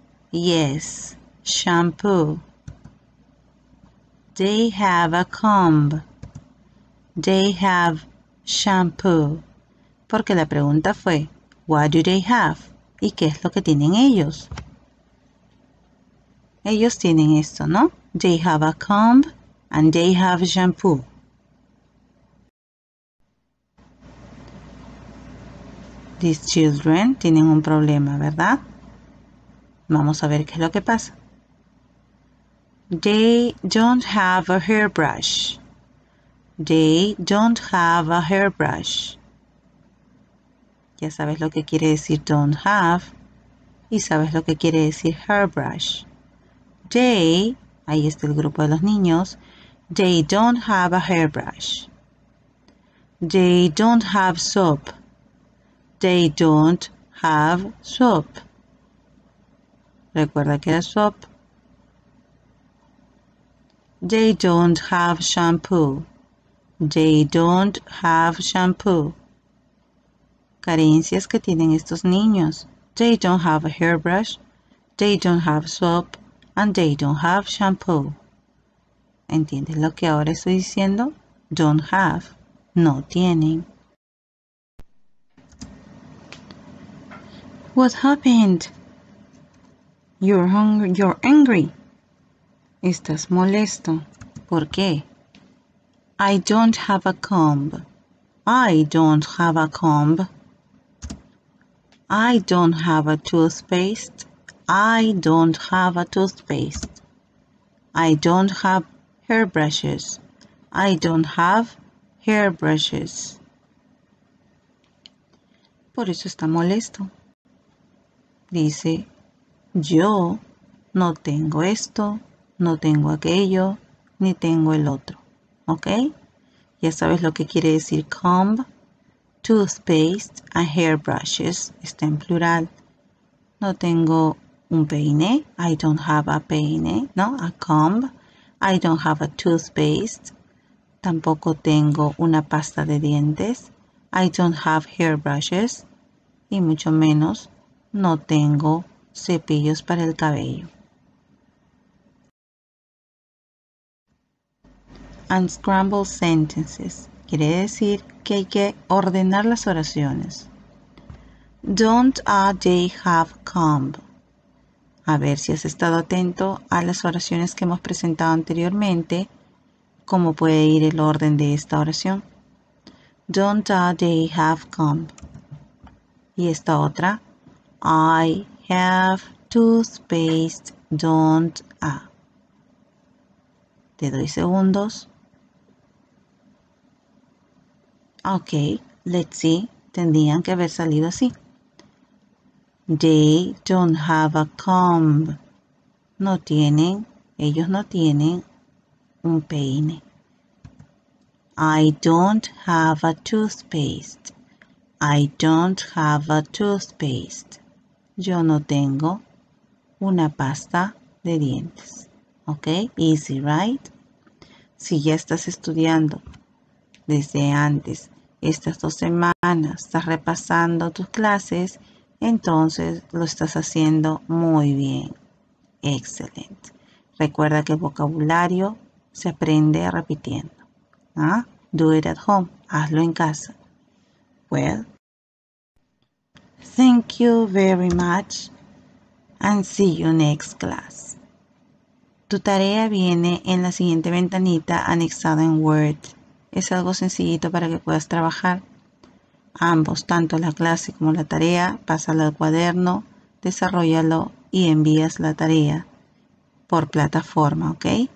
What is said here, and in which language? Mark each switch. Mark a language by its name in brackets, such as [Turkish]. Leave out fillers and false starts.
[English] Yes, shampoo. They have a comb. They have shampoo. [Spanish] Porque la pregunta fue, [English] what do they have? [Spanish] ¿Y qué es lo que tienen ellos? Ellos tienen esto, ¿no? [English] They have a comb and they have shampoo. These children [Spanish] tienen un problema, ¿verdad? Vamos a ver qué es lo que pasa. [English] They don't have a hairbrush. They don't have a hairbrush. [Spanish] Ya sabes lo que quiere decir don't have y sabes lo que quiere decir hairbrush. They, ahí está el grupo de los niños. [English] They don't have a hairbrush. They don't have soap. They don't have soap. [Spanish] Recuerda que era soap. [English] They don't have shampoo. They don't have shampoo. [Spanish] Carencias que tienen estos niños. [English] They don't have a hairbrush. They don't have soap. And they don't have shampoo. [Spanish] ¿Entiendes lo que ahora estoy diciendo? [English] Don't have. [Spanish] No tienen. [English] What happened? You're hungry. You're angry. [Spanish] Estás molesto. ¿Por qué? [English] I don't have a comb. I don't have a comb. I don't have a toothpaste. I don't have a toothpaste. I don't have hairbrushes. I don't have hairbrushes. [Spanish] Por eso está molesto. Dice, yo no tengo esto, no tengo aquello, ni tengo el otro. ¿Ok? Ya sabes lo que quiere decir comb, toothpaste and hairbrushes. Está en plural. No tengo un peine, [English] I don't have a [Spanish] peine, [English] no, a comb, I don't have a toothpaste, [Spanish] tampoco tengo una pasta de dientes, [English] I don't have hairbrushes, [Spanish] y mucho menos, no tengo cepillos para el cabello. [English] Unscramble sentences, [Spanish] quiere decir que hay que ordenar las oraciones. [English] Don't they have comb? [Spanish] A ver si has estado atento a las oraciones que hemos presentado anteriormente, cómo puede ir el orden de esta oración. [English] Don't they have come? [Spanish] Y esta otra. [English] I have toothpaste, don't I? [Spanish] Te doy segundos. [English] Ok, let's see. [Spanish] Tendrían que haber salido así. [English] They don't have a comb. [Spanish] No tienen, ellos no tienen un peine. [English] I don't have a toothpaste. I don't have a toothpaste. [Spanish] Yo no tengo una pasta de dientes. [English] Ok, easy, right? [Spanish] Si ya estás estudiando desde antes, estas 2 semanas, estás repasando tus clases, entonces lo estás haciendo muy bien. Excelente. Recuerda que el vocabulario se aprende repitiendo. [English] ¿Ah? Do it at home. [Spanish] Hazlo en casa. [English] Well, thank you very much and see you next class. [Spanish] Tu tarea viene en la siguiente ventanita anexada en Word. Es algo sencillito para que puedas trabajar. Ambos, tanto la clase como la tarea, pásala al cuaderno, desarróllalo y envías la tarea por plataforma, ¿ok?